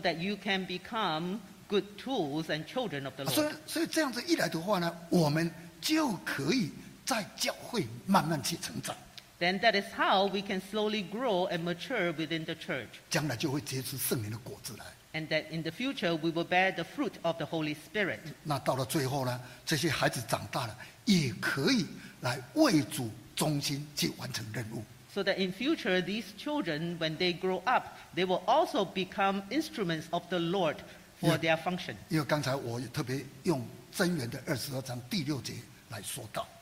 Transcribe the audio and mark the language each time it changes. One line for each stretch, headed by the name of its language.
English: that you can become good tools and children of the Lord.
Chinese: 所以这样子一来的话呢，我们就可以在教会慢慢去成长。
English: Then that is how we can slowly grow and mature within the church.
Chinese: 将来就会结出圣灵的果子来。
English: And that in the future we will bear the fruit of the Holy Spirit.
Chinese: 那到了最后呢，这些孩子长大了，也可以来为主。
English: So that in future, these children, when they grow up, they will also become instruments of the Lord for their function.
Chinese: 因为刚才我特别用箴言的22章第6节来说到。